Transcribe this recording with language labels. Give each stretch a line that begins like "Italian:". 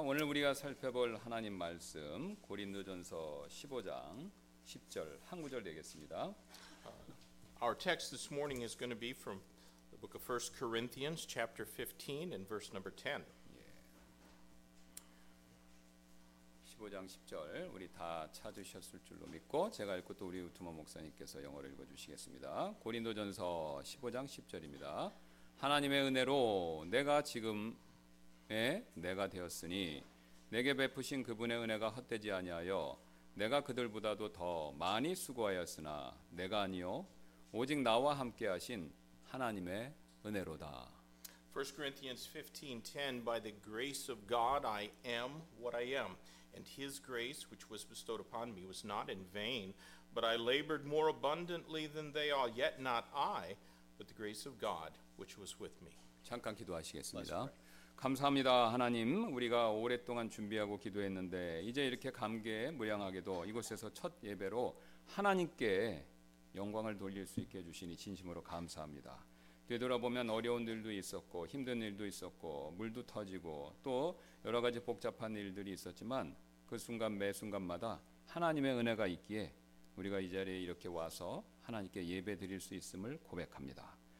Korean: 오늘 우리가 살펴볼 하나님 말씀 고린도전서 15장 10절 한 구절 되겠습니다.
English: Our text this morning is going to be from the book of 1 Corinthians chapter 15 and verse number 10.
Korean: 15장 10절 우리 다 찾으셨을 줄로 믿고 제가 읽고 또 우리 우투머 목사님께서 영어로 읽어주시겠습니다. 고린도전서 15장 10절입니다. 하나님의 은혜로 내가 지금의 내가 되었으니 내게 베푸신 그분의 은혜가 헛되지 아니하여 내가 그들보다도 더 많이 수고하였으나 내가 아니요 오직 나와 함께 하신 하나님의 은혜로다.
English: 1 Corinthians 15:10 By the grace of God I am what I am, and his grace which was bestowed upon me was not in vain, but I labored more abundantly than they all, yet not I, but the grace of God which was with me.
Korean: 잠깐 기도하시겠습니다. 감사합니다 하나님, 우리가 오랫동안 준비하고 기도했는데 이제 이렇게 감개에 무량하게도 이곳에서 첫 예배로 하나님께 영광을 돌릴 수 있게 해주시니 진심으로 감사합니다. 되돌아보면 어려운 일도 있었고 힘든 일도 있었고 물도 터지고 또 여러 가지 복잡한 일들이 있었지만 그 순간 매 순간마다 하나님의 은혜가 있기에 우리가 이 자리에 이렇게 와서 하나님께 예배 드릴 수 있음을 고백합니다.